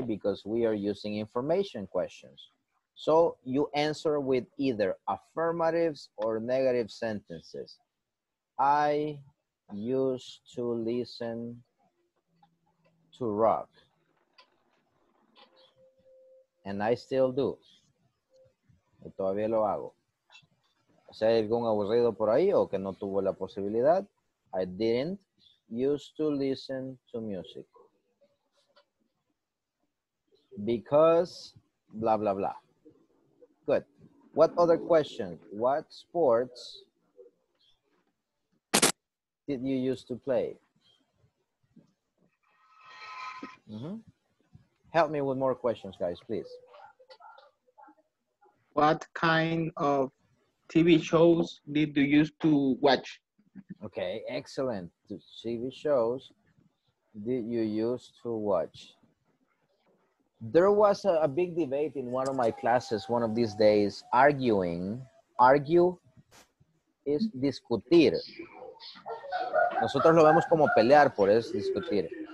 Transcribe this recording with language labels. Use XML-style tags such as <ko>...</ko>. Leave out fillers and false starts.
<en>Because we are using information questions. So you answer with either affirmatives or negative sentences. I used to listen to rock, and I still do.</en> <es>Y todavía lo hago. O sea, hay algún aburrido por ahí o que no tuvo la posibilidad.</es> <en>I didn't used to listen to music because blah blah blah. Good. What other question? What sports did you used to play? Mm-hmm. Help me with more questions, guys, please. What kind of TV shows did you used to watch? Okay, excellent. TV shows did you used to watch? There was a big debate in one of my classes one of these days, argue is discutir.</en> <es>Nosotros lo vemos como pelear, por eso discutir.</es>